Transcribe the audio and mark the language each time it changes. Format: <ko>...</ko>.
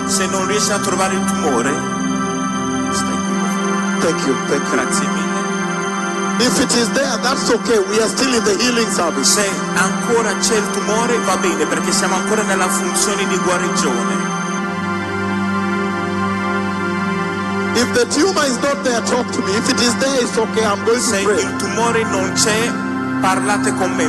<it>se non riesci a trovare il tumore,</it> <en>thank you.</en> <it>Grazie mille.</it> <en>If it is there, that's okay. We are still in the healing service.</en> <it>Se ancora c'è il tumore, va bene, perché siamo ancora nella funzione di guarigione.</it> <en>If the tumor is not there, talk to me. If it is there, it's okay. I'm going</en> <it>se</it> <en>to pray.</en> <it>Se il tumore non c'è, parlate con me.</it>